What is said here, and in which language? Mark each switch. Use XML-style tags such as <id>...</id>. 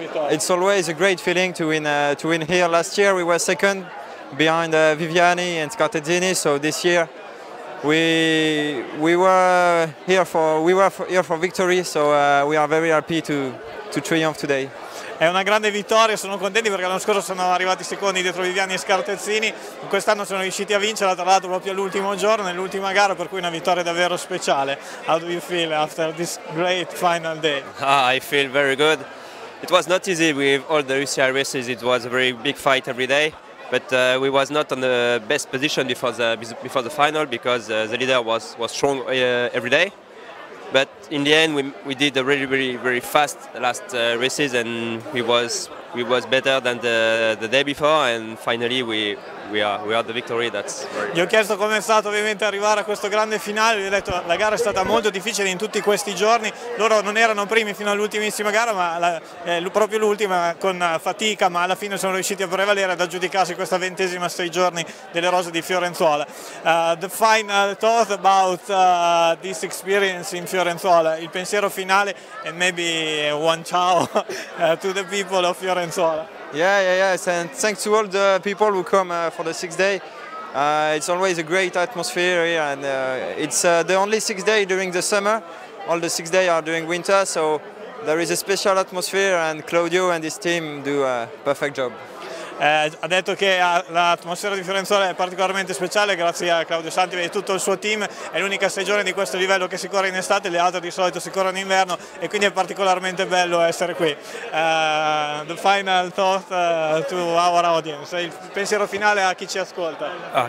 <en>It's always a great feeling to win here. Last year we were second behind Viviani and Scattadini, so this year we were here for victory, so we are very happy to triumph today.</en> <it>È una grande vittoria, sono contenti perché l'anno scorso sono arrivati secondi dietro Viviani e Scartezzini, quest'anno sono riusciti a vincere, tra l'altro proprio all'ultimo giorno, nell'ultima gara, per cui una vittoria davvero speciale.</it> <en>How do you feel after this great final day? I feel very good. It was not easy with all the UCI races, it was a very big fight every day, but we was not on the best position before the final because the leader was strong every day. But in the end we did a really, really, very fast last races, and we was better than the day before, and finally we are the victory. That's very...</en> <it>Gli ho chiesto come è stato ovviamente arrivare a questo grande finale, gli ho detto la gara è stata molto difficile in tutti questi giorni, loro non erano primi fino all'ultimissima gara, ma proprio l'ultima con fatica, ma alla fine sono riusciti a prevalere, ad aggiudicarsi questa 20ª 6 giorni delle rose di Fiorenzuola.</it> <en>The final thought about this experience in Fiorenzuola,</en> <it>il pensiero finale,</it> <en>and maybe one ciao to the people of Fiorenzuola. Yes, and thanks to all the people who come for the 6 day. It's always a great atmosphere here, and it's the only 6 day during the summer. All the 6 day are during winter, so there is a special atmosphere, and Claudio and his team do a perfect job.</en> <it>Ha detto che l'atmosfera di Fiorenzuola è particolarmente speciale grazie a Claudio Santi e tutto il suo team, è l'unica 6 giorni di questo livello che si corre in estate, le altre di solito si corrono in inverno, e quindi è particolarmente bello essere qui.</it> <en>The final thought to our audience,</en> <it>il pensiero finale a chi ci ascolta.</it>